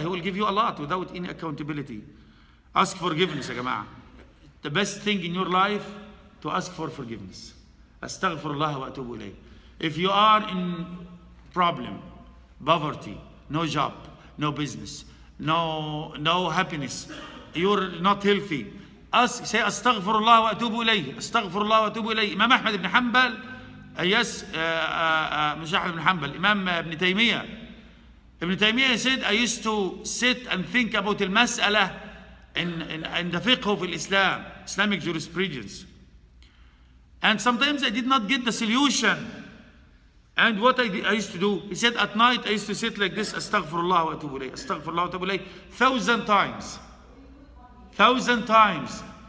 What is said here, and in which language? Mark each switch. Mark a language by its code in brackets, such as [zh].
[en] He will give you a lot without any accountability. Ask forgiveness يا جماعة. The best thing in your life to ask for forgiveness. [ar] أستغفر الله وأتوب إليه. [en] If you are in problem, poverty, no job, no business, no happiness, you're not healthy. [ar] Say أستغفر الله وأتوب إليه. أستغفر الله وأتوب إليه. إمام أحمد بن حنبل أياس مش أحمد بن حنبل إمام ابن تيمية. [en] ابن تيمية said I used to sit and think about المسألة in the fiqh of Islam, Islamic jurisprudence. And sometimes I did not get the solution. And what I used to do, he said, at night I used to sit like this, astaghfirullah wa atubu ilayhi, astaghfirullah wa atubu ilayhi, 1,000 times.